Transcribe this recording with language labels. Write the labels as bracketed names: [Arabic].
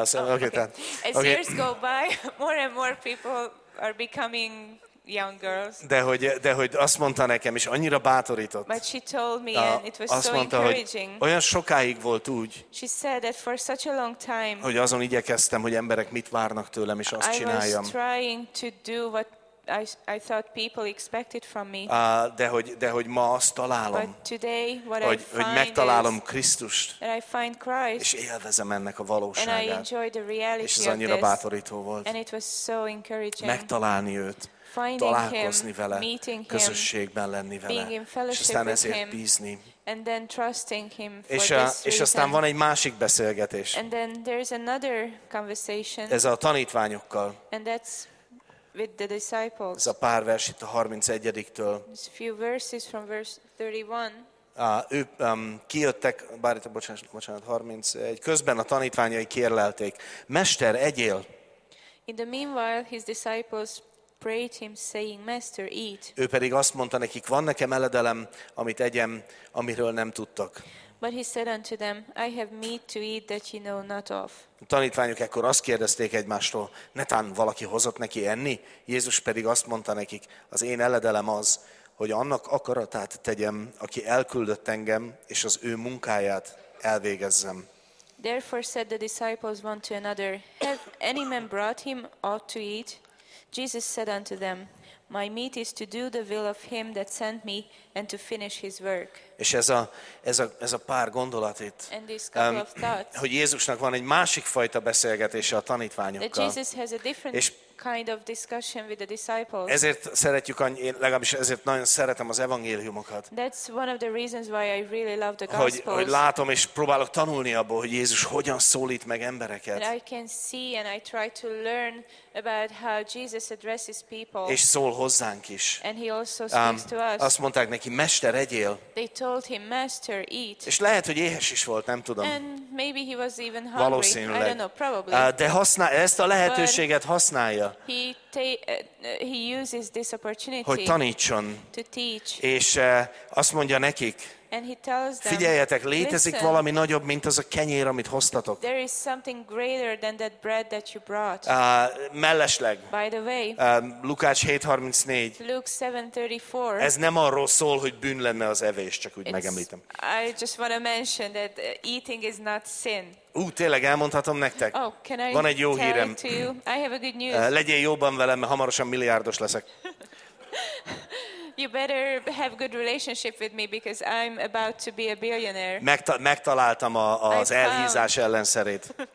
[English] As years go by, more and more people are becoming young girls. [Hungarian] De hogy azt mondta nekem, és annyira bátorított. [English] But she told me, and it was so encouraging. [Hungarian] Olyan sokáig volt úgy. [English] She said that for such a long time. [Hungarian] Hogy azon igyekeztem, hogy emberek mit várnak tőlem, és azt csináljam. [English] I was trying to do what I thought people expected from me. [Hungarian] De hogy ma azt találom. [English] But today what [Hungarian] hogy, [English] I find [Hungarian] hogy megtalálom Krisztust. [English] And I find Christ. [Hungarian] És élvezem ennek a valóságát. [English] And I enjoy the reality of this. [Hungarian] És ez annyira bátorító volt. [English] And it was so encouraging. [Hungarian] Megtalálni őt. Találkozni vele, [English] meeting him, [Hungarian] közösségben lenni vele, és aztán ezért bízni. [English] And then trusting him for [Hungarian] és, a, és aztán van egy másik beszélgetés. [English] And then there's another conversation. [Hungarian] Ez a tanítványokkal. [English] And that's with the disciples. [Hungarian] Ez a pár vers itt a 31-től. [English] It's a few verses from verse 31. [Hungarian] Kijöttek, bár itt a bocsánat, 31, közben a tanítványai kérlelték, Mester, egyél! [English] In the meanwhile, his disciples prayed him, saying, Master, eat. [Hungarian] Ő pedig azt mondta nekik, van nekem eledelem, amit egyem, amiről nem tudtak. [English] But he said unto them, I have meat to eat that you know not of. [Hungarian] A tanítványok ekkor azt kérdezték egymástól, netán valaki hozott neki enni? Jézus pedig azt mondta nekik, az én eledelem az, hogy annak akaratát tegyem, aki elküldött engem, és az ő munkáját elvégezzem. [English] Therefore said the disciples one to another, have any man brought him aught to eat? Jesus said unto them, My meat is to do the will of him that sent me and to finish his work. [Hungarian] És ez a pár gondolat itt, hogy Jézusnak van egy másik fajta beszélgetése a tanítványokkal. [English] That Jesus has a different kind of discussion with the disciples. [Hungarian] Ezért szeretjük, legalábbis ezért nagyon szeretem az evangéliumokat. [English] That's one of the reasons why I really love the gospels. [Hungarian] Hogy látom és próbálok tanulni abból, hogy Jézus hogyan szólít meg embereket. [English] And I can see and I try to learn about how Jesus addresses people. [Hungarian] És szól hozzánk is. [English] And he also speaks to us. [Hungarian] Azt mondták neki, Mester, egyél. [English] They told him, Master, eat. [Hungarian] És lehet, hogy éhes is volt, nem tudom. [English] And maybe he was even hungry. [Hungarian] Valószínűleg. [English] I don't know, probably. [Hungarian] De ezt a lehetőséget használja. [English] He uses this opportunity [Hungarian] hogy tanítson, [English] to teach. [Hungarian] És azt mondja nekik, [English] and he tells them, [Hungarian] figyeljetek, létezik [English] listen, [Hungarian] valami nagyobb, mint az a kenyér, amit hoztatok. [English] There is something greater than that bread that you brought. [Hungarian] Mellesleg. [English] By the way, [Hungarian] Lukács 7:34. [English] Luke 7:34. [Hungarian] Ez nem arról szól, hogy bűn lenne az evés, csak úgy megemlítem. [English] I just want to mention that eating is not sin. [Hungarian] Tényleg elmondhatom nektek? Van egy jó hírem. [English] I have a good news. [Hungarian] Legyél jobban velem, mert hamarosan milliárdos leszek. [English] You better have good relationship with me because I'm about to be a billionaire. [Hungarian] Megtaláltam az elhízás ellenszerét.